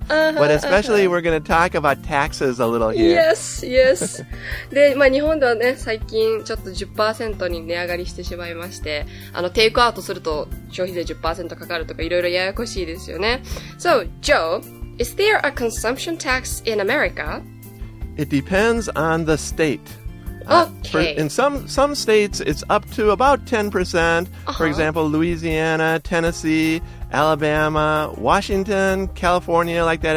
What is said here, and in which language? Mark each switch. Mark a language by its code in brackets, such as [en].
[en] But especially, we're going to talk about taxes a little here. Yes, yes. [ja] で、まあ、日本ではね、最近ちょっと 10% に値上がりしてしまいまして、テイクアウトすると消費税 10% かかるとか、いろいろややこしいですよね。 [en] So, Joe, is there a consumption tax in America? It depends on the state. Okay. In some states, it's up to about 10%. Uh-huh. For example, Louisiana, Tennessee, Alabama, Washington, California, like that.